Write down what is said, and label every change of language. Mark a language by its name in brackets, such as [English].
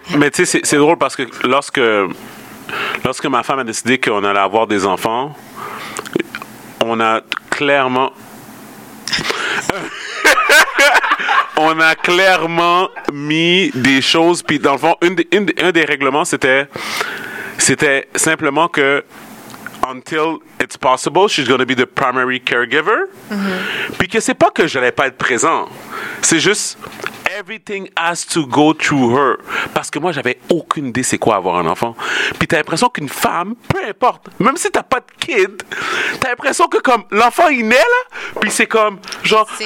[French] Mais tu sais, c'est drôle parce que lorsque ma femme a décidé qu'on allait avoir des enfants, on a clairement. On a clairement mis des choses. Puis dans le fond, un des règlements, c'était simplement que. [English] Until it's possible, she's going to be the primary caregiver. Mm-hmm. [French] Puis que c'est pas que je n'allais pas être présent. C'est juste, [English] everything has to go through her. [French] Parce que moi, j'avais aucune idée c'est quoi avoir un enfant. Puis t'as l'impression qu'une femme, peu importe, même si t'as pas de kid, t'as l'impression que comme l'enfant, il naît là, puis c'est comme, genre, c'est...